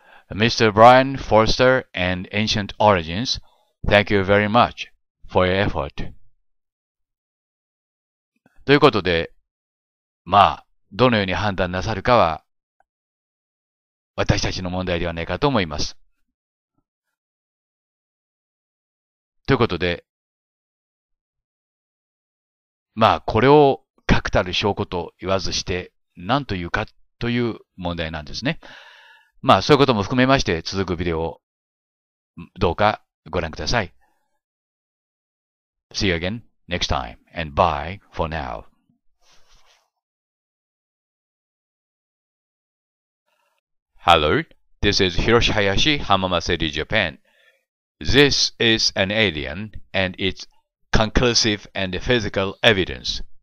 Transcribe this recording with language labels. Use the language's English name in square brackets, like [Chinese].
[English] Mr. Brian Forster and Ancient Origins, thank you very much for your effort. [Japanese] ということで、まあ、どのように判断なさるかは、私たちの問題ではないかと思います。ということで、まあ、これを確たる証拠と言わずして、何というかという問題なんですね。まあそういうことも含めまして続くビデオをどうかご覧ください。 [English] See you again next time and bye for now. Hello, this is Hiroshihayashi Hamamatsuri Japan. This is an alien and it's conclusive and physical evidence.